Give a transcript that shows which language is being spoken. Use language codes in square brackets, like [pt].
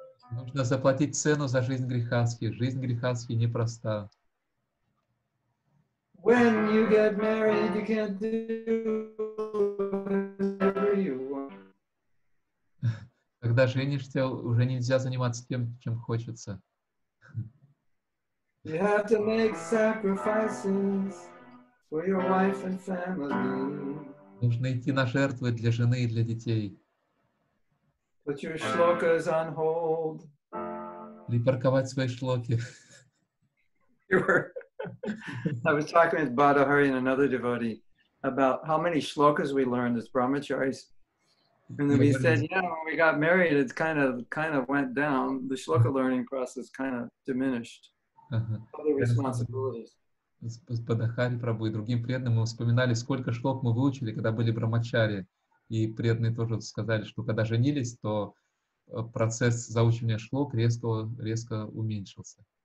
[ru] Нужно заплатить цену за жизнь грехаски. Жизнь грехаски непроста. [en] When you get married, you can't do whatever you want. [ru] Когда женишься, уже нельзя заниматься тем, чем хочется. [en] You have to make sacrifices for your wife and family. [ru] Нужно идти на жертвы для жены и для детей. [en] Put your shlokas on hold. [ru] Припарковать свои шлоки. [en] I was talking with Badahari and another devotee about how many shlokas we learned as brahmacharis. And then we said, yeah, when we got married, it kind of went down. The shloka learning process kind of diminished. Other responsibilities. [ru] С Бадахари Прабху и другим преданным мы вспоминали, сколько шлок мы выучили, когда были брамачари. И преданные тоже сказали, что когда женились, то процесс заучивания шлок резко уменьшился.